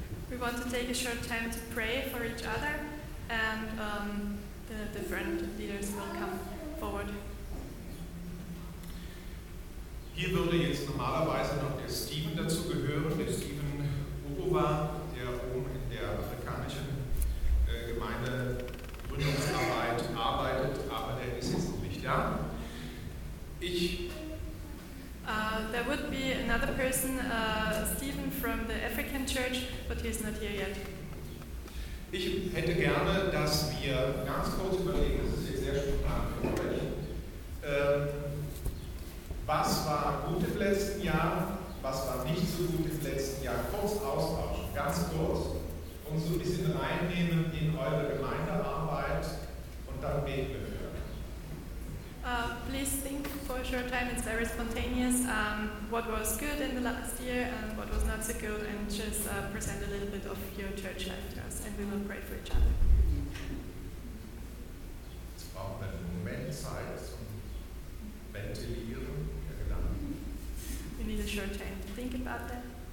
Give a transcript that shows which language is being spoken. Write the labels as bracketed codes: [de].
[en] We want to take a short time to pray for each other, and the different leaders will come forward. [de] Hier würde jetzt normalerweise noch der Steven dazu gehören, der Steven Uruwa, der oben in der afrikanischen Gemeinde Gründungsarbeit arbeitet, aber der ist jetzt noch nicht da. Ich [en] There would be another person, Stephen from the African Church, but he is not here yet. [de] Ich hätte gerne, dass wir ganz kurz überlegen, das ist jetzt sehr spontan für euch, was war gut im letzten Jahr, was war nicht so gut im letzten Jahr, kurz austauschen, ganz kurz, und so ein bisschen reinnehmen in eure Gemeindearbeit und dann beten wir. [en] Please think for a short time, it's very spontaneous, what was good in the last year and what was not so good, and just present a little bit of your church life to us, and we will pray for each other. [de] Es braucht einen Moment Zeit zum Ventilieren der Gedanken. [en] We need a short time to think about that.